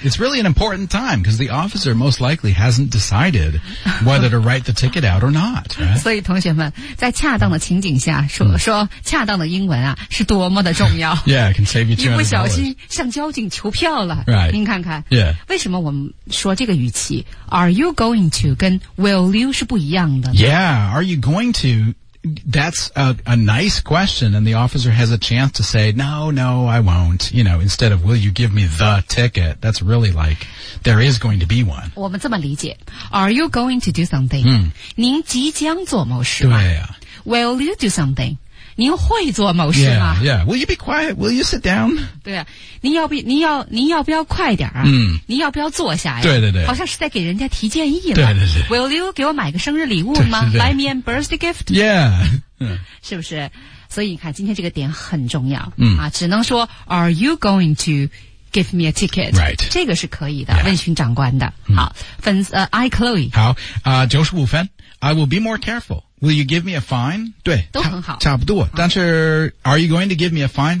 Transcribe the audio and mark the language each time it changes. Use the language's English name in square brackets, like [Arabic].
[English] It's really an important time because the officer most likely hasn't decided whether to write the ticket out or not.、Right? [Chinese] 所以同学们在恰当的情景下 说恰当的英文啊是多么的重要 [English] Yeah, it can save you $200. [Chinese] 你不小心向交警求票了、 [English] right. [Chinese] 您看看、 [English] yeah. [Chinese] 为什么我们说这个语气 [English] Are you going to [Chinese] 跟 [English] will you [Chinese] 是不一样的 [English] Yeah, are you going to That's a nice question And the officer has a chance to say No, no, I won't You know, instead of Will you give me the ticket That's really like There is going to be one [Chinese] 我们这么理解 [English] Are you going to do something、 mm. [Chinese] 您即将做某事对、啊、 [English] Will you do something [Chinese] 您会做某事吗 [English] yeah, yeah. Will you be quiet? Will you sit down? [Chinese] 对啊您要不您要您要不要快点啊、 mm. 您要不要坐下呀对对对好像是在给人家提建议了对对对 [English] Will you [Chinese] 给我买个生日礼物吗 [English] Buy me a birthday gift? Yeah [Chinese] 是不是所以你看今天这个点很重要、 mm. [English] 啊， [Chinese] 只能说 [English] Are you going to give me a ticket? Right [Chinese] 这个是可以的、 [English] yeah. [Chinese] 问询长官的、 mm. 好粉丝、I Chloe [English] 好、95分 I will be more carefulWill you give me a fine? 对 [Chinese] 都很好差不多但是 [English] Are you going to give me a fine?